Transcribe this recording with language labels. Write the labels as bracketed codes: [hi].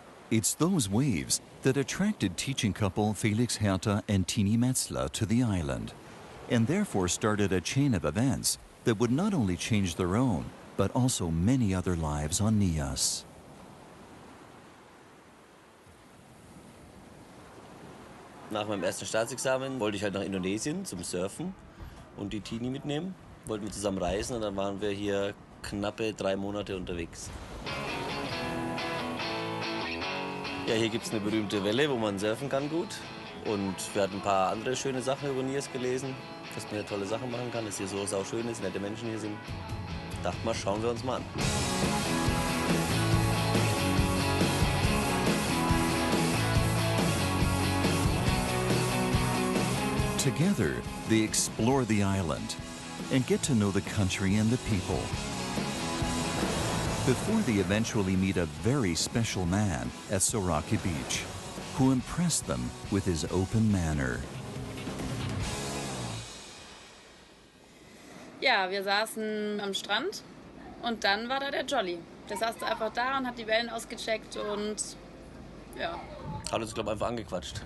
[en] It's those waves that attracted teaching couple Felix Hertha and Tini Metzler to the island, and therefore started a chain of events that would not only change their own, but also many other lives on Nias. [de] Nach meinem ersten Staatsexamen wollte ich halt nach Indonesien zum Surfen und die Tini mitnehmen. Wollten wir zusammen reisen und dann waren wir hier knappe 3 Monate unterwegs. Ja, hier gibt es eine berühmte Welle, wo man surfen kann gut. Und wir hatten ein paar andere schöne Sachen über Nias gelesen, dass man hier tolle Sachen machen kann, dass hier so sauschön ist, nette Menschen hier sind. Dachte mal, schauen wir uns mal an. [en] Together, they explore the island and get to know the country and the people. Before they eventually meet a very special man at Soraki Beach, who impressed them with his open manner. [de] Ja, wir saßen am Strand und dann war da der Jolly. Der saß da einfach da und hat die Wellen ausgecheckt und ja. Hat uns, glaube ich, einfach angequatscht.